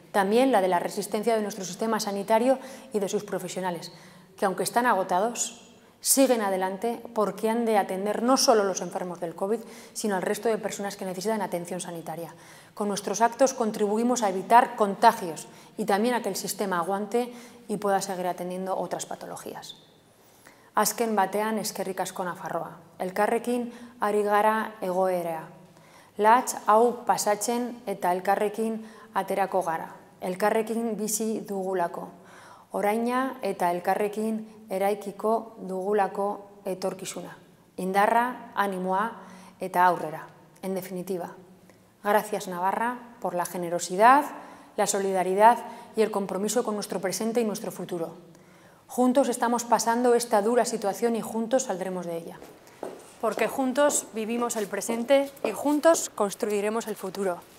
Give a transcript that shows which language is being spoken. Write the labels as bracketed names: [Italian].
[Spanish] También la de la resistencia de nuestro sistema sanitario y de sus profesionales, que aunque están agotados, siguen adelante porque han de atender no solo los enfermos del COVID, sino al resto de personas que necesitan atención sanitaria. Con nuestros actos contribuimos a evitar contagios y también a que el sistema aguante y pueda seguir atendiendo otras patologías. [Basque] Azken batean eskerrik asko Nafarroa. Elkarrekin ari gara egoera. Latz hau pasatzen eta elkarrekin aterako gara. Elkarrekin bizi dugulako. Oraina eta elkarrekin eraikiko dugulako etorkizuna. Indarra, animoa eta aurrera. [Spanish] En definitiva, gracias Navarra por la generosidad, la solidaridad y el compromiso con nuestro presente y nuestro futuro. Juntos estamos pasando esta dura situación y juntos saldremos de ella. Porque juntos vivimos el presente y juntos construiremos el futuro.